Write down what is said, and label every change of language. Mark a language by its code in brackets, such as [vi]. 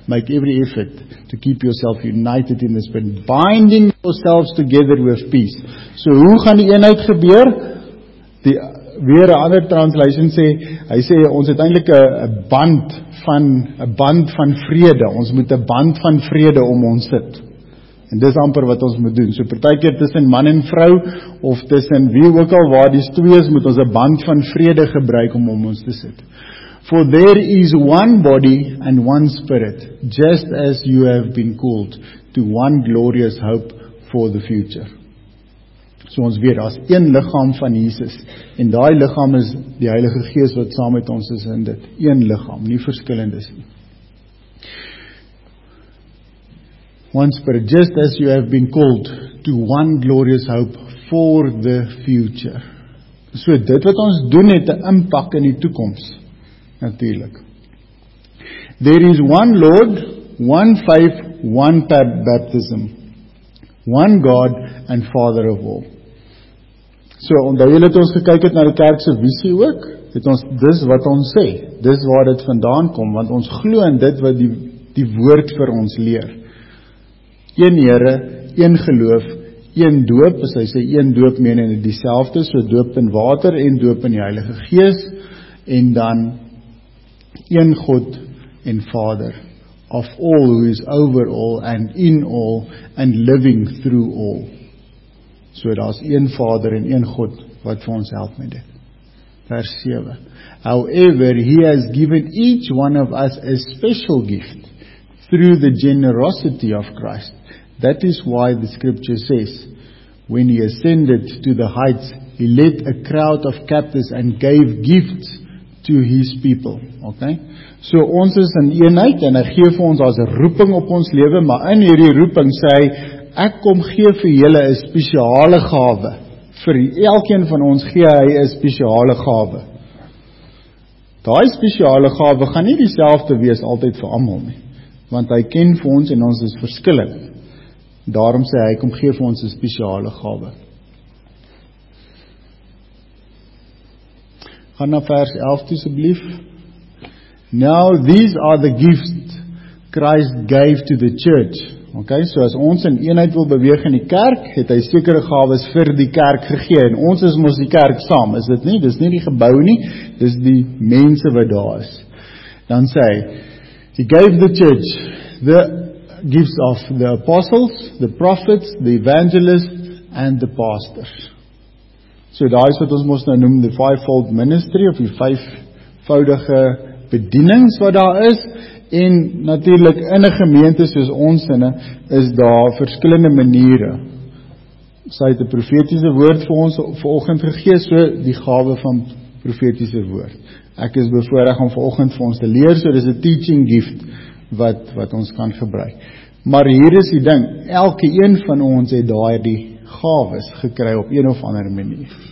[en] Make every effort to keep yourself united in the spirit, binding yourselves together with peace. [af] So hoe gaan die eenheid gebeur? Die weer een ander translation sê, hy sê, ons het eintlik 'n band van vrede, ons moet 'n band van vrede om ons sit, en dis amper wat ons moet doen, so partykeer tussen man en vrou, of tussen wie ook al waar die twee is, moet ons 'n band van vrede gebruik om ons te sit. [en] For there is one body and one spirit, just as you have been called to one glorious hope for the future. [af] So ons weet, daar is een liggaam van Jesus, en daai liggaam is die Heilige Gees wat saam met ons is in dit. Een liggaam, nie verskillendes nie. [en] One spirit, just as you have been called to one glorious hope for the future. [af] So dit wat ons doen het 'n impak in die toekoms. Natuurlijk. [en] There is one Lord, one faith, one baptism, one God and Father of all. [af] So, onthou julle het ons gekyk het na die kerk se visie ook, het ons, dis wat ons sê, dis waar dit vandaan kom, want ons glo in dit wat die woord vir ons leer. Een Here, een geloof, een doop, as hy sê een doop meen en dit dieselfde, so doop in water en doop in die Heilige Gees, en dan een God en Vader [en] of all who is over all and in all and living through all. [af] So daar is een Vader en een God wat vir ons help met dit. [en] Vers 7. However, he has given each one of us a special gift through the generosity of Christ. That is why the scripture says, when he ascended to the heights, he led a crowd of captives and gave gifts to his people. Okay? [af] So ons is in eenheid en hy gee vir ons as 'n roeping op ons lewe, maar in hierdie roeping sê hy, ek kom gee vir julle 'n spesiale gawe. Vir elkeen van ons gee hy 'n spesiale gawe. Daai spesiale gawe gaan nie dieselfde wees altyd vir almal nie, want hy ken vir ons en ons is verskillend. Daarom sê hy kom gee vir ons 'n spesiale gawe. Gaan na vers 11 toe asseblief. [en] Now these are the gifts Christ gave to the church. [af] Okay, so as ons in eenheid wil beweeg in die kerk, het hy sekere gawes vir die kerk gegee, en ons is mos die kerk saam, is dit nie? Dis nie die gebou nie, dis die mense wat daar is. Dan sê hy, [en] he gave the church the gifts of the apostles, the prophets, the evangelists, and the pastors. [af] So daar is wat ons moest nou noem die fivefold ministry, of die vijfvoudige bedienings wat daar is, en natuurlik in 'n gemeente soos ons in, is daar verskillende maniere. Sy het 'n profetiese woord vir ons vanoggend gegee, so die gawe van profetiese woord. Ek is bevoorreg om vanoggend vir ons te leer, so dis 'n teaching gift wat ons kan gebruik. Maar hier is die ding, elke een van ons het daardie gawes gekry op een of ander manier.